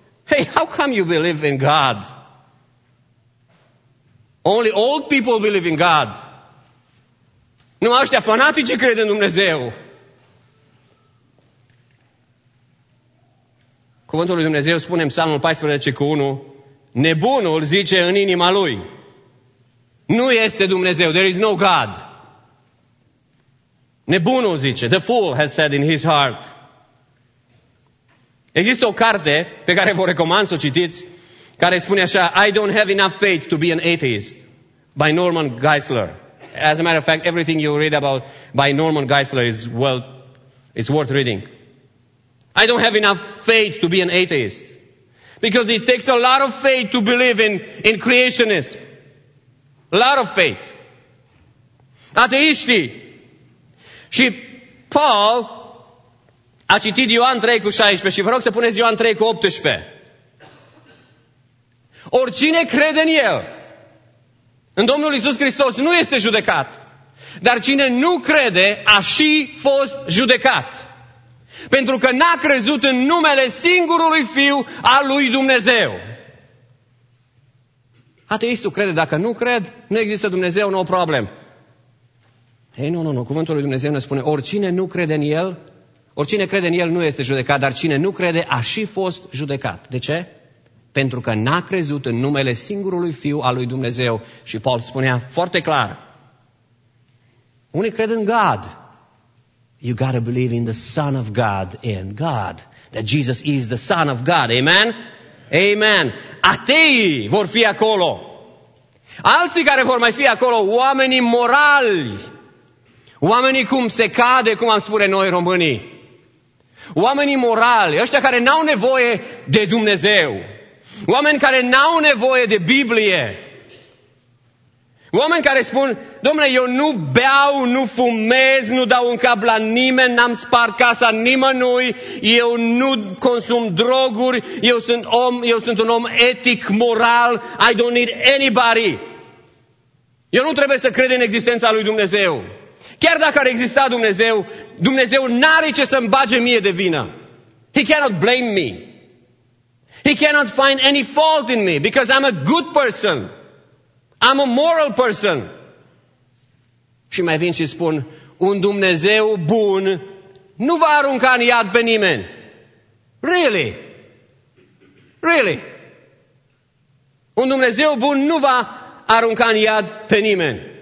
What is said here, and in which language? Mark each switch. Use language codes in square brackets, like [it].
[en] Hey, how come you believe in God? Only old people believe in God. [ro] Nu ăștia fanatici cred în Dumnezeu. Cuvântul lui Dumnezeu spune în Psalmul 14:1, nebunul zice în inima lui, nu este Dumnezeu, there is no God. Nebunul zice, the fool has said in his heart. Există o carte pe care vă recomand să o citiți, care spune așa, I don't have enough faith to be an atheist, by Norman Geisler. [en] As a matter of fact, everything you read about by Norman Geisler is well, it's worth reading. I don't have enough faith to be an atheist. Because it takes a lot of faith to believe in creationism. A lot of faith. Ateiștii. [ro] Și Paul a citit Ioan 3:16 și vă rog să puneți Ioan 3:18. Oricine crede în El, în Domnul Iisus Hristos, nu este judecat. Dar cine nu crede, a și fost judecat. Pentru că n-a crezut în numele singurului Fiu al lui Dumnezeu. Ateistul crede, dacă nu cred, nu există Dumnezeu, no problem. Ei, nu, cuvântul lui Dumnezeu ne spune, oricine nu crede în El, oricine crede în El nu este judecat, dar cine nu crede a și fost judecat. De ce? Pentru că n-a crezut în numele singurului Fiu al lui Dumnezeu. Și Paul spunea foarte clar, unii cred în God. [en] You gotta believe in the Son of God, in God, that Jesus is the Son of God. Amen? Amen. [ro] Ateii vor fi acolo. Alții care vor mai fi acolo, oamenii morali. Oamenii cum se cade, cum am spune noi românii. Oamenii morali, ăștia care n-au nevoie de Dumnezeu. Oameni care n-au nevoie de Biblie. Oameni care spun, domnule, eu nu beau, nu fumez, nu dau în cap la nimeni, n-am spart casa nimănui, eu nu consum droguri, eu sunt un om etic, moral, I don't need anybody. Eu nu trebuie să cred în existența lui Dumnezeu. Chiar dacă ar exista Dumnezeu, Dumnezeu n-are ce să-mi bage mie de vină. [en] He cannot blame me. He cannot find any fault in me because I'm a good person. I'm a moral person. [ro] Și mai vin și spun, un Dumnezeu bun nu va arunca în iad pe nimeni. Really? Really? Un Dumnezeu bun nu va arunca în iad pe nimeni.